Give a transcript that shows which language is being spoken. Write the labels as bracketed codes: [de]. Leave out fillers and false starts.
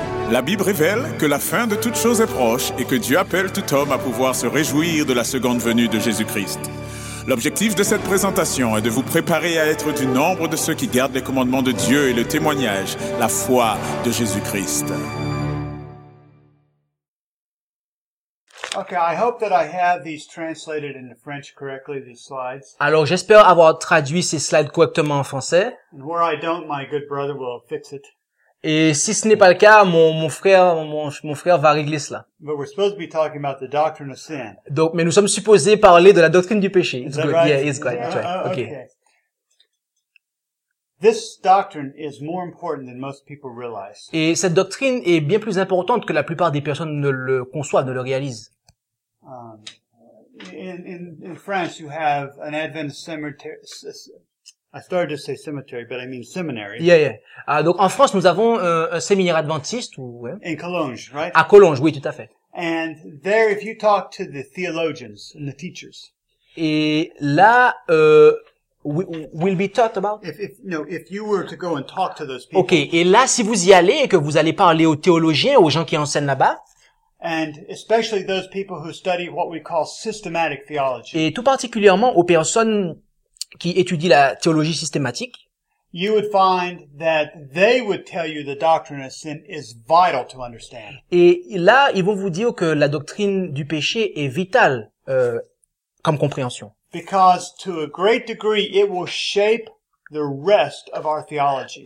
[fr] La Bible révèle que la fin de toutes choses est proche et que Dieu appelle tout homme à pouvoir se réjouir de la seconde venue de Jésus-Christ. L'objectif de cette présentation est de vous préparer à être du nombre de ceux qui gardent les commandements de Dieu et le témoignage, la foi de Jésus-Christ. [en] Okay, I hope that I have these translated into French correctly, these slides. [fr] Alors, j'espère avoir traduit ces slides correctement en français. [en] And where I don't, my good brother will fix it. [fr] Et si ce n'est pas le cas, mon frère va régler cela. [en] But we're supposed to be talking about the doctrine of sin. [fr] Donc, mais nous sommes supposés parler de la doctrine du péché. [en] It's good. Right? Yeah, it's good. Yeah, right. Okay. This doctrine is more important than most people realize. [fr] Et cette doctrine est bien plus importante que la plupart des personnes ne le conçoivent, ne le réalisent. [en] In France, you have an Adventist cemetery. I started to say cemetery, but I mean seminary. Yeah, yeah. [fr] Donc en France, nous avons un séminaire adventiste, ou ouais. [en] In Cologne, right? [fr] À Cologne, oui, tout à fait. [en] And there, if you talk to the theologians and the teachers. [fr] Et là, [en] we'll be taught about. If you were to go and talk to those people. Okay. [fr] Et là, si vous y allez et que vous allez parler aux théologiens, aux gens qui enseignent là-bas. [en] And especially those people who study what we call systematic theology. [fr] Et tout particulièrement aux personnes qui étudie la théologie systématique. [en] You would find that they would tell you the doctrine of sin is vital to understand. [fr] Et là, ils vont vous dire que la doctrine du péché est vitale comme compréhension. [en] Because to a great degree it will shape the rest of our theology.